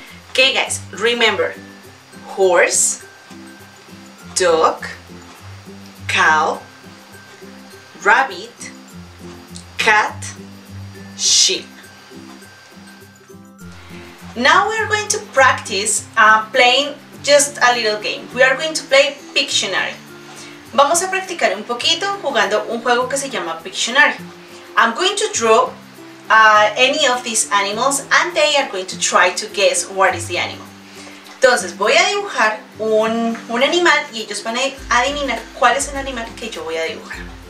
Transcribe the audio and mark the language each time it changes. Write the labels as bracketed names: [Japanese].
[English] Okay guys, remember, horse, dog, cow, rabbit, cat, sheep. Now we are going to practice playing just a little game. We are going to play Pictionary. [Spanish] Vamos a practicar un poquito jugando un juego que se llama Pictionary. [English] I'm going to draw any of these animals and they are going to try to guess what is the animal. [Spanish] Entonces voy a dibujar un animal y ellos van a adivinar cuál es el animal que yo voy a dibujar.